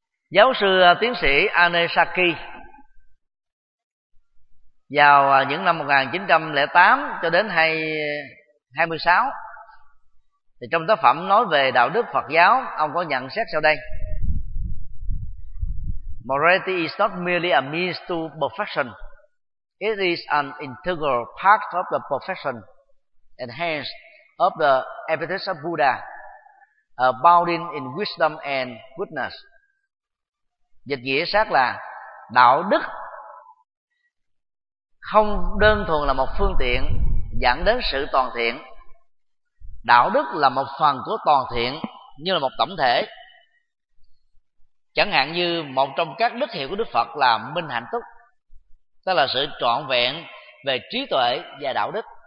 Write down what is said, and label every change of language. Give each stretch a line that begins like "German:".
Vietnamese: Giáo sư tiến sĩ Ane Saki vào những năm 1908 cho đến 26 thì trong tác phẩm nói về đạo đức Phật giáo, ông có nhận xét sau đây:
English: Morality is not merely a means to perfection. It is an integral part of the perfection and hence of the epithet of Buddha, abounding in wisdom and goodness.
Vietnamese: Dịch nghĩa sát là đạo đức không đơn thuần là một phương tiện dẫn đến sự toàn thiện. Đạo đức là một phần của toàn thiện như là một tổng thể. Chẳng hạn như một trong các đức hiệu của Đức Phật là minh hạnh túc, tức là sự trọn vẹn về trí tuệ và đạo đức.